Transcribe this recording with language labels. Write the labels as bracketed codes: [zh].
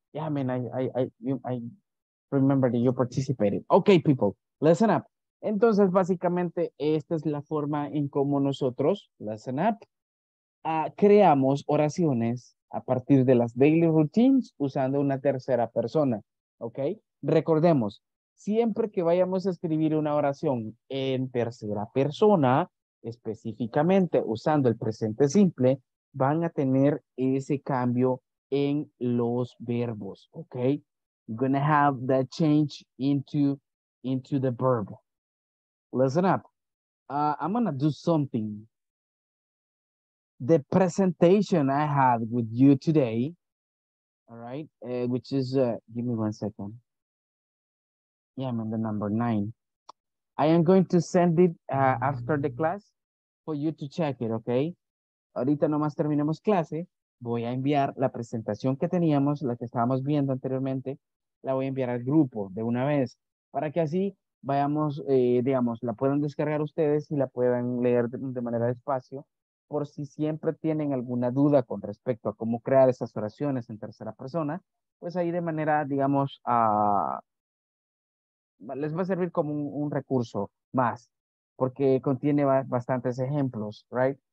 [en] Yeah, I mean, I remember that you participated. Okay, people, listen up. [es] Entonces, básicamente, esta es la forma en cómo nosotros, [en] listen up, [es] creamos oraciones a partir de las daily routines usando una tercera persona. Okay? Recordemos, siempre que vayamos a escribir una oración en tercera persona, específicamente usando el presente simple, van a tener ese cambio en los verbos, okay? [en] You're gonna have that change into the verb. Listen up. I'm gonna do something. The presentation I had with you today, all right, which is, give me 1 second. Yeah, I'm in the number 9. I am going to send it after the class for you to check it, okay? [es] Ahorita nomás terminemos clase. Voy a enviar la presentación que teníamos, la que estábamos viendo anteriormente, la voy a enviar al grupo de una vez para que así vayamos, digamos, la puedan descargar ustedes y la puedan leer de manera despacio por si siempre tienen alguna duda con respecto a cómo crear esas oraciones en tercera persona, pues ahí de manera, digamos, les va a servir como un recurso más porque contiene bastantes ejemplos, right?